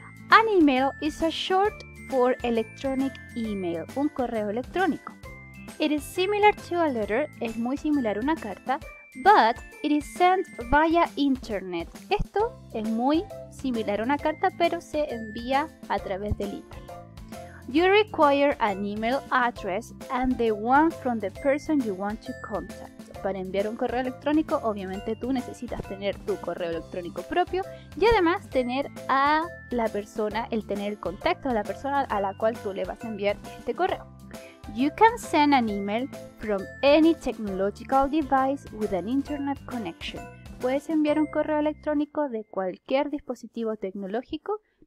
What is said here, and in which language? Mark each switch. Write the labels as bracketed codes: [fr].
[en] An email is a short for electronic email, [es] un correo electrónico. [en] It is similar to a letter, [es] es muy similar a una carta, [en] but it is sent via internet. [es] Esto es muy similar a una carta, pero se envía a través del internet. [en] You require an email address and the one from the person you want to contact. [es] Para enviar un correo electrónico, obviamente tú necesitas tener tu correo electrónico propio y además tener a la persona, el tener el contacto de la persona a la cual tú le vas a enviar este correo. [en] You can send an email from any technological device with an internet connection. [es] Puedes enviar un correo electrónico de cualquier dispositivo tecnológico